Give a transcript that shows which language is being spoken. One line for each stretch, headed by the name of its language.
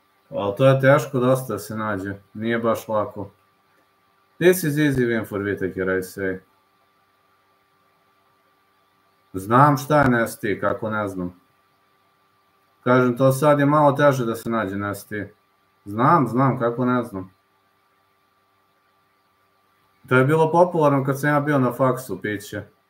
Serbian: Ali to je teško dosta da se nađe. Nije baš lako.
English: This is easy win for Whittaker, I say.
Serbian: Znam šta je nasty, kako ne znam. Kažem, to sad je malo teže da se nađe nasty. Znam, znam, kako ne znam. To je bilo popularno kad sam ja bio na faksu, piće.